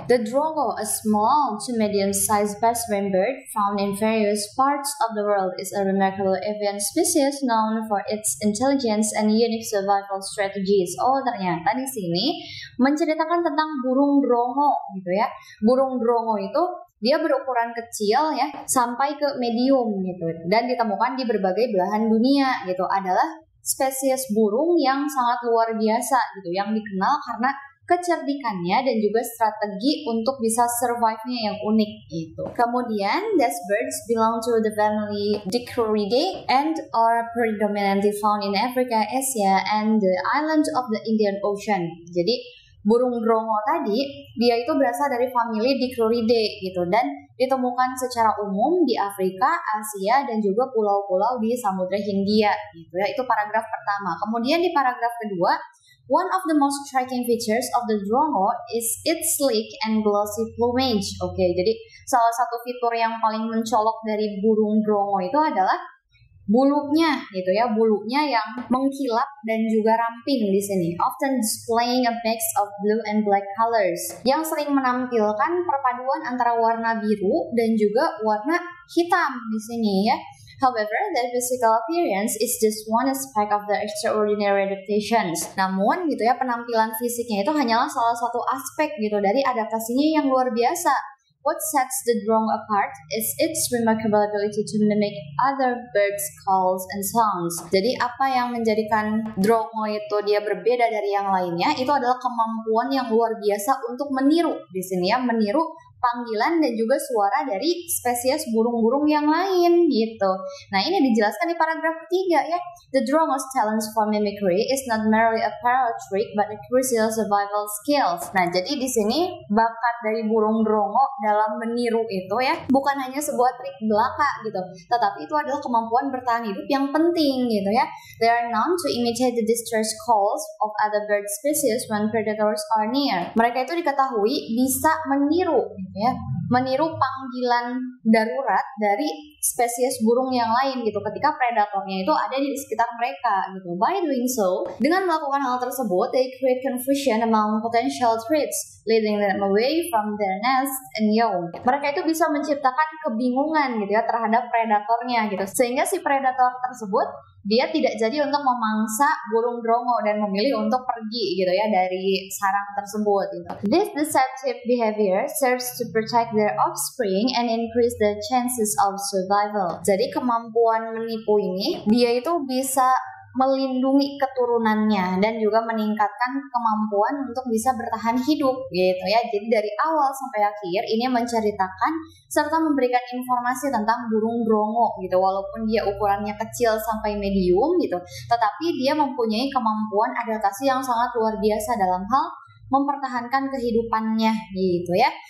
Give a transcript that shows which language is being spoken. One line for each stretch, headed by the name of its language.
English: The drongo, a small to medium-sized passerine bird found in various parts of the world, is a remarkable avian species known for its intelligence and unique survival strategies.
Indonesian: Oh, ternyata di sini menceritakan tentang burung drongo gitu ya. Burung drongo itu dia berukuran kecil ya sampai ke medium gitu dan ditemukan di berbagai belahan dunia gitu. Adalah spesies burung yang sangat luar biasa gitu, yang dikenal karena kecerdikannya dan juga strategi untuk bisa survive-nya yang unik gitu. Kemudian,
English: these birds belong to the family Dicroridae and are predominantly found in Africa, Asia, and the islands of the Indian Ocean.
Indonesian: Jadi, burung drongo tadi, dia itu berasal dari family Dicroridae gitu dan ditemukan secara umum di Afrika, Asia, dan juga pulau-pulau di Samudra Hindia gitu ya. Itu paragraf pertama. Kemudian di paragraf kedua,
English: one of the most striking features of the drongo is its sleek and glossy plumage.
Indonesian: Jadi salah satu fitur yang paling mencolok dari burung drongo itu adalah bulunya gitu ya, bulunya yang mengkilap dan juga ramping di sini.
English: Often displaying a mix of blue and black colors.
Indonesian: Yang sering menampilkan perpaduan antara warna biru dan juga warna hitam di sini ya.
English: However, their physical appearance is just one aspect of their extraordinary adaptations.
Indonesian: Namun gitu ya, penampilan fisiknya itu hanyalah salah satu aspek gitu dari adaptasinya yang luar biasa.
English: What sets the drongo apart is its remarkable ability to mimic other birds' calls and sounds.
Indonesian: Jadi apa yang menjadikan drongo itu dia berbeda dari yang lainnya itu adalah kemampuan yang luar biasa untuk meniru di sini ya, meniru panggilan dan juga suara dari spesies burung-burung yang lain gitu. Nah, ini dijelaskan di paragraf 3 ya.
English: The drongo's talents for mimicry is not merely a parallel trick but a crucial survival skills.
Indonesian: Nah, jadi di sini bakat dari burung drongo dalam meniru itu ya, bukan hanya sebuah trik belaka gitu, tetapi itu adalah kemampuan bertahan hidup yang penting gitu ya.
English: They are known to imitate the distress calls of other bird species when predators are near.
Indonesian: Mereka itu diketahui bisa meniru ya, meniru panggilan darurat dari spesies burung yang lain gitu ketika predatornya itu ada di sekitar mereka gitu.
English: By doing so,
Indonesian: dengan melakukan hal tersebut,
English: they create confusion among potential threats, leading them away from their nest and young.
Indonesian: Mereka itu bisa menciptakan kebingungan gitu ya terhadap predatornya gitu, sehingga si predator tersebut dia tidak jadi untuk memangsa burung drongo dan memilih untuk pergi gitu ya dari sarang tersebut gitu.
English: This deceptive behavior serves to protect their offspring and increase their chances of survival.
Indonesian: Jadi kemampuan menipu ini dia itu bisa melindungi keturunannya dan juga meningkatkan kemampuan untuk bisa bertahan hidup gitu ya. Jadi dari awal sampai akhir ini menceritakan serta memberikan informasi tentang burung drongo gitu, walaupun dia ukurannya kecil sampai medium gitu, tetapi dia mempunyai kemampuan adaptasi yang sangat luar biasa dalam hal mempertahankan kehidupannya gitu ya.